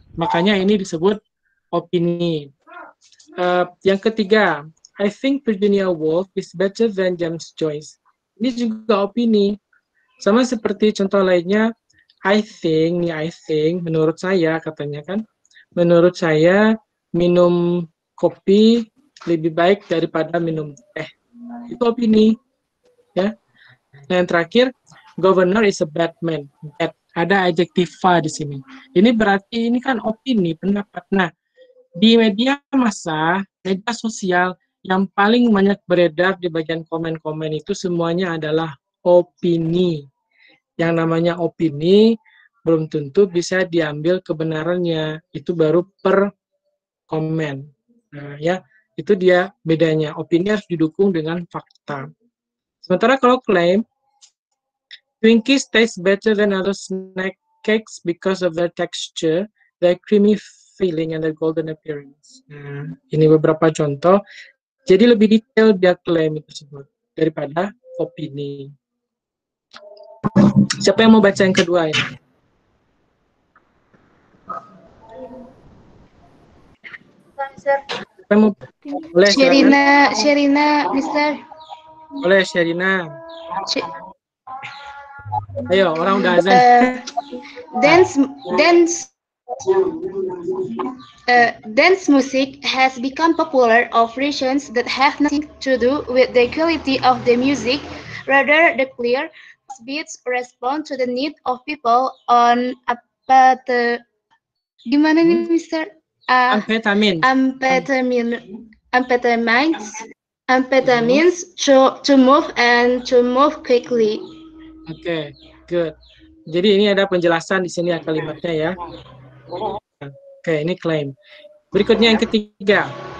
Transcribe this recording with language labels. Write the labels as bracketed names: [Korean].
[Indonesian] Makanya ini disebut opini. Yang ketiga, [English] I think Virginia Woolf is better than James Joyce. [Indonesian] Ini juga opini. Sama seperti contoh lainnya, [English] I think, [Indonesian] menurut saya katanya kan, menurut saya minum kopi lebih baik daripada minum teh. Itu opini. Ya. Nah, yang terakhir, [English] governor is a bad man. Bad. [Indonesian] Ada adjektiva di sini. Ini berarti ini kan opini, pendapat. Nah, di media massa, media sosial, yang paling banyak beredar di bagian komen-komen itu semuanya adalah opini. Yang namanya opini belum tentu bisa diambil kebenarannya. Itu baru per komen. Nah, ya, itu dia bedanya. Opini harus didukung dengan fakta. Sementara kalau [English] claim, Twinkies taste better than other snack cakes because of their texture, their creamy feeling, and their golden appearance. [Indonesian] Nah, ini beberapa contoh. Jadi lebih detail dia claim itu tersebut daripada opini. Siapa yang mau baca yang kedua ini? Siapa mau? Boleh, Sherina, silakan. Sherina, Mister. Boleh, Sherina. Ayo, orang udah azan. [English] Dance music has become popular of reasons that have nothing to do with the quality of the music, rather the clear beats respond to the need of people on amphetamines to move quickly. Okay, good. [Indonesian] Jadi ini ada penjelasan di sini ya kalimatnya ya. Oke, ini claim. Berikutnya yang ketiga.